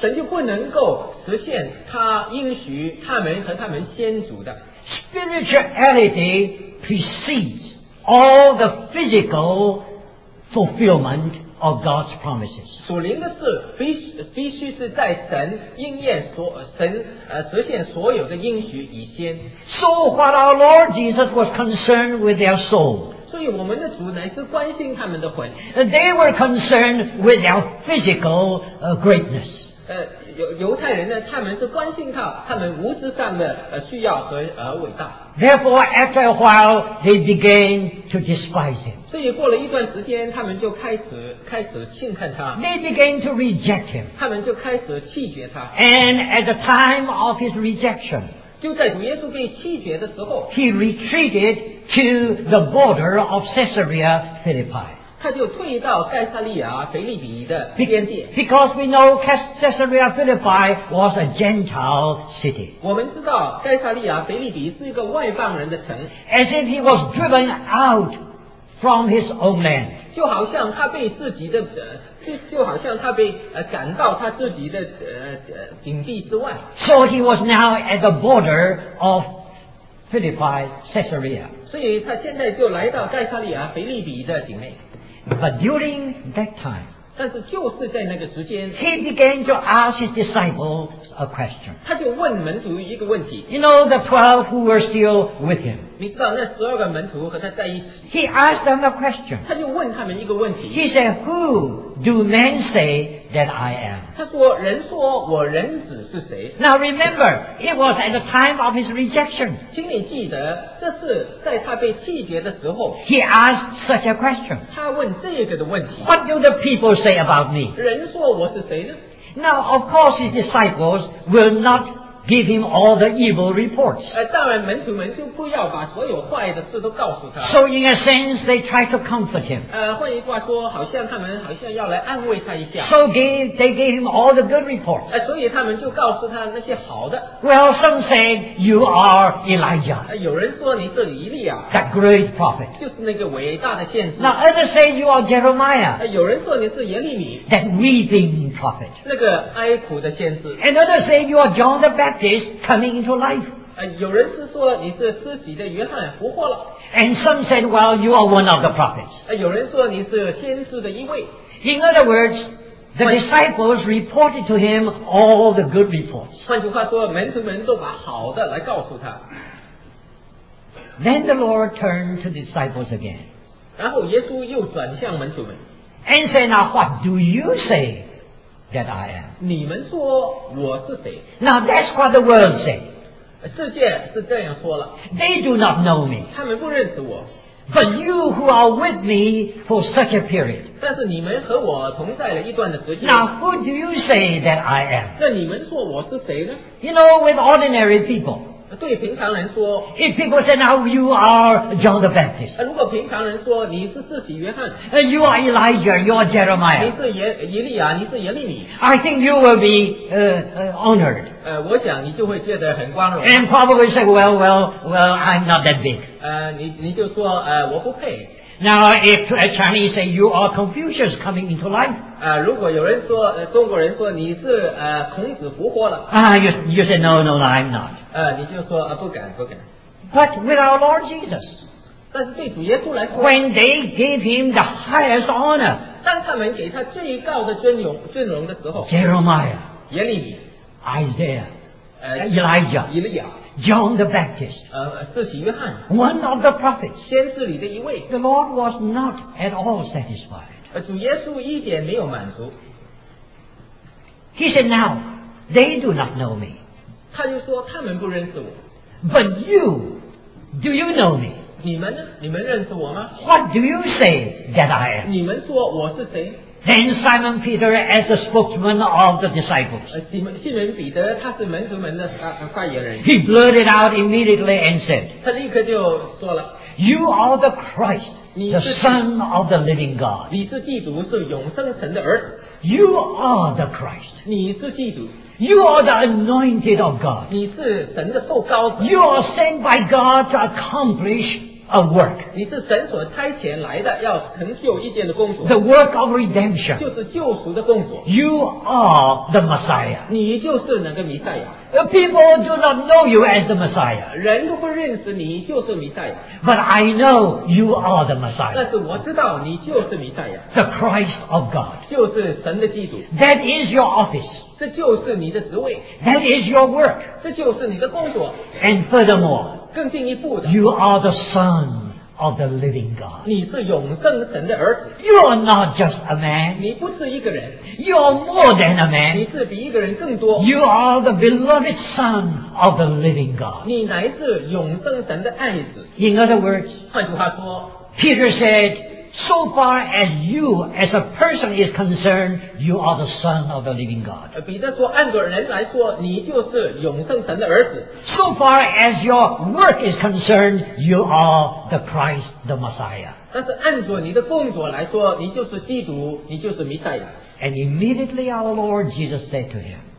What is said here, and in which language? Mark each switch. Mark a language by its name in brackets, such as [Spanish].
[Chinese] 神就不能够实现他应许他们和他们先祖的。 [English] Spirituality precedes all the physical fulfillment of God's promises. [Chinese] 属灵的事必须是在神应验所神实现所有的应许以先。 [English] So what our Lord Jesus was concerned with their soul. [Chinese] 所以我们的主乃是关心他们的魂。 [English] They were concerned with their physical greatness. [Chinese] 犹太人呢，他们是关心他，他们物质上的需要和伟大。 [English] Therefore, after a while, they began to despise him. [Chinese] 所以过了一段时间，他们就开始轻看他。 [English] They began to reject him. [Chinese] 他们就开始拒绝他。 [English] And at the time of his rejection, [Chinese] 就在主耶稣被拒绝的时候 [English] ，he retreated to the border of Caesarea Philippi. [Chinese] 他就退到盖撒利亚腓立比的边界。 [English] Because we know Caesarea Philippi was a Gentile city. [Chinese] 我们知道盖撒利亚腓立比是一个外邦人的城。 [English] As if he was driven out from his own land. [Chinese] 就好像他被自己的就好像他被赶到他自己的领地之外。 [English] So he was now at the border of Philippi, Caesarea. [Chinese] 所以他现在就来到盖撒利亚腓立比的境内。 [English] But during that time, [Chinese] 但是就是在那个时间, [English] he began to ask his disciples a question. [Chinese] 他就问门徒一个问题。 [English] You know the 12 who were still with him. [Chinese] 你知道那十二个门徒和他在一起。 [English] He asked them a question. [Chinese] 他就问他们一个问题。 [English] He said, "Who do men say that I am?" [Chinese] 他说，人说我人子是谁。 [English] Now remember, it was at the time of his rejection. [Chinese] 请你记得，这是在他被拒绝的时候。 [English] He asked such a question. [Chinese] 他问这个的问题。 [English] What do the people say about me? [Chinese] 人说我是谁呢？ [English] Now of course his disciples will not give him all the evil reports. [Chinese] 当然门徒们就不要把所有坏的事都告诉他。 [English] So in a sense, they try to comfort him. [Chinese] 换一句话说，好像他们好像要来安慰他一下。 [English] So they gave him all the good reports. [Chinese] 所以他们就告诉他那些好的。 [English] Well, some said you are Elijah. [Chinese] 有人说你是以利亚。 [English] That great prophet. [Chinese] 就是那个伟大的先知。 [English] Now others say you are Jeremiah. [Chinese] 有人说你是耶利米。 [English] That weeping prophet. [Chinese] 那个哀苦的先知。 [English] And others say you are John the Baptist. Baptist coming into life. [Chinese] 有人是说你是施洗的约翰复活了。 [English] And some said, well, you are one of the prophets. [Chinese] 有人说你是先知的一位。 [English] In other words, the disciples reported to him all the good reports. [Chinese] 换句话说，门徒们都把好的来告诉他。 [English] Then the Lord turned to the disciples again. [Chinese] 然后耶稣又转向门徒们。 [English] And said, now what do you say? That I am. [Chinese] 你们说我是谁? [English] Now that's what the world says. [Chinese] 世界是这样说了。 [English] They do not know me. [Chinese] 他们不认识我。 [English] But you who are with me for such a period. [Chinese] 但是你们和我同在了一段的时间。 [English] Now who do you say that I am? [Chinese] 那你们说我是谁呢? [English] You know, with ordinary people. [Chinese] 对平常人说 [English] If people say now you are John the Baptist [Chinese] 如果平常人说你是施洗约翰 [English] You are Elijah, you are Jeremiah [Chinese] 你是耶利亚你是耶利米 [English] I think you will be honored [Chinese] 我想你就会觉得很光荣 [English] And probably say well I'm not that big [Chinese] 你就说我不配 [English] Now if a Chinese say you are Confucius coming into life [Chinese] 如果有人说中国人说你是孔子复活了 [English] you say no I'm not [Chinese] 你就说不敢 [English] But with our Lord Jesus [Chinese] 但是对主耶稣来说 [English] When they gave him the highest honor [Chinese] 当他们给他最高的尊荣的时候 [English] Jeremiah [Chinese] 耶利米 [English] Isaiah Elijah [Chinese] 以利亚 [English] John the Baptist [Chinese] 施洗约翰 [English] One of the prophets [Chinese] 先知里的一位 [English] The Lord was not at all satisfied [Chinese] 主耶稣一点没有满足 [English] He said now they do not know me [Chinese] 他就说他们不认识我 [English] But you, do you know me? [Chinese] 你们呢？你们认识我吗？ [English] What do you say that I am? [Chinese] 你们说我是谁？ [English] Then Simon Peter as the spokesman of the disciples. [Chinese] 西门彼得他是门徒们的发言人。 [English] He blurted out immediately and said, [Chinese] 他立刻就说了。 [English] You are the Christ, the Son of the living God. [Chinese] 你是基督，是永生神的儿子。 [English] You are the Christ. [Chinese] 你是基督。 [English] You are the anointed of God. [Chinese] 你是神的受膏者。 [English] You are sent by God to accomplish a work. [Chinese] 你是神所差遣来的，要成就一件的工作。 [English] The work of redemption. [Chinese] 就是救赎的工作。 [English] You are the Messiah. [Chinese] 你就是那个弥赛亚。 [English] People do not know you as the Messiah. [Chinese] 人都不认识你就是弥赛亚。 [English] But I know you are the Messiah. [Chinese] 但是我知道你就是弥赛亚。 [English] The Christ of God. [Chinese] 就是神的基督。 [English] That is your office. [Chinese] 这就是你的职位。 [English] That is your work. [Chinese] 这就是你的工作。 [English] And furthermore, [Chinese] 更进一步的。 [English] You are the Son of the living God. [Chinese] 你是永生神的儿子。 [English] You are not just a man. [Chinese] 你不是一个人。 [English] You are more than a man. [Chinese] 你是比一个人更多。 [English] You are the beloved son of the living God. [Chinese] 你乃是永生神的爱子。 [English] In other words, [Chinese] 换句话说, [English] Peter said, so far as you as a person is concerned, you are the son of the living God. [Chinese] 彼得说, 按着人来说, 你就是永生神的儿子。 [English] So far as your work is concerned, you are the Christ, the Messiah. [Chinese] 但是按着你的工作来说, 你就是基督, 你就是弥赛亚。 [English] And immediately our Lord Jesus said to him,